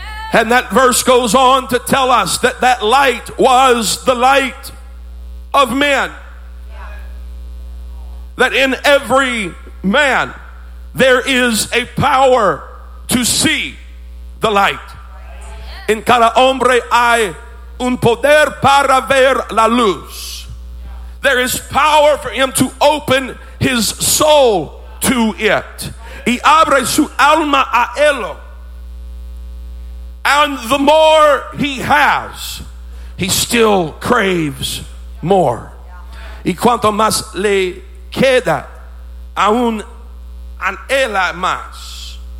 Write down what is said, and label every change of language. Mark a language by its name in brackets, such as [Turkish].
[English] And that verse goes on to tell us that that light was the light of men. That in every man, there is a power to see the light. [Spanish] In cada hombre hay un poder para ver la luz. [English] There is power for him to open his soul to it. [Spanish] Y abre su alma a él. [English] And the more he has, he still craves more. [Spanish] Y cuanto más le queda, aún anhela más.